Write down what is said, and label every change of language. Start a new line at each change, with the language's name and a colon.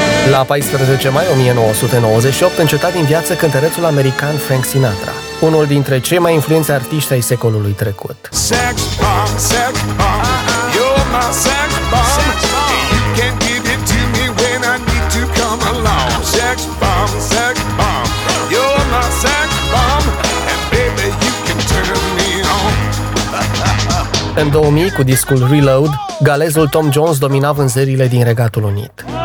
Romanian: La 14 mai 1998 înceta din viață cântărețul american Frank Sinatra, unul dintre cei mai influenți artiști ai secolului trecut.
English: Sex bomb, sex bomb, you're my sex bomb. You can give it to me when I need to come along. Sex bomb, sex bomb, you're my sex bomb. And baby, you can turn me on.
Romanian: În 2000, cu discul Reload, galezul Tom Jones domina vânzările din Regatul Unit.